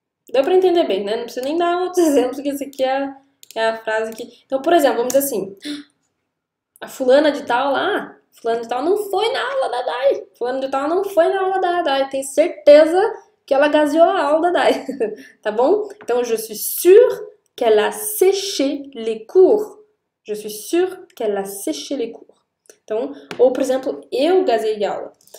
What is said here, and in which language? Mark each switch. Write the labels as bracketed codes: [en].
[pt] Deu para entender bem, né? Não precisa nem dar outros exemplos, porque isso aqui é a frase que. Então, por exemplo, vamos dizer assim. A fulana de tal lá, fulana de tal não foi na aula da Dai. Fulana de tal não foi na aula da Dai. Tenho certeza que ela gazeou a aula da Dai. Tá bom? [fr] Então, je suis sûr qu'elle a séché les cours. Je suis sûr qu'elle a séché les cours. [pt] Então, ou por exemplo, eu gazei de aula.